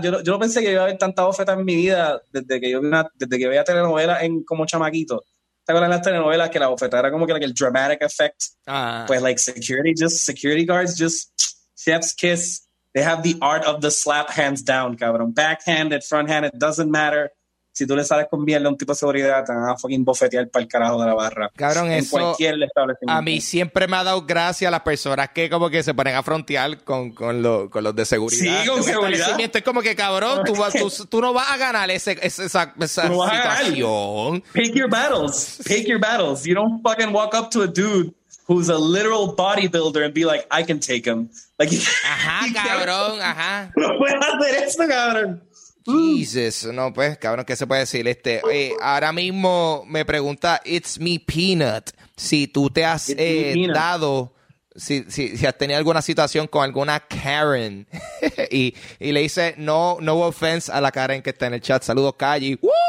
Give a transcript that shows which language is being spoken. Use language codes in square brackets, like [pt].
[es] Yo no pensé que iba a haber tanta bofeta en mi vida desde que yo veía telenovela en como chamaquito. ¿Te acuerdas de las telenovelas que la bofetada era como que [en] like, el dramatic effect? [es] Pues, [en] like, security guards, just chef's kiss. They have the art of the slap hands down, [es] cabrón. [en] Backhanded, fronthanded, doesn't matter. [es] Si tú le sales con bien a un tipo de seguridad, te van a [en] fucking [es] bofetear para el carajo de la barra. Cabrón, en eso cualquier establecimiento. A mí siempre me ha dado gracia a las personas que como que se ponen a frontear con los de seguridad. Sí, con seguridad. Es como que, cabrón, tú no vas a ganar esa no situación. [en] Pick your battles. You don't fucking walk up to a dude who's a literal bodybuilder and be like, I can take him. Like, [es] ajá, cabrón, ajá. No puedes hacer eso, cabrón. Jesus, no, pues, cabrón, ¿qué se puede decir? Oye, ahora mismo me pregunta It's Me Peanut si tú te has dado, si has tenido alguna situación con alguna Karen. y le dice, [en] no offense [es] a la Karen que está en el chat. Saludos, Calle. ¡Woo!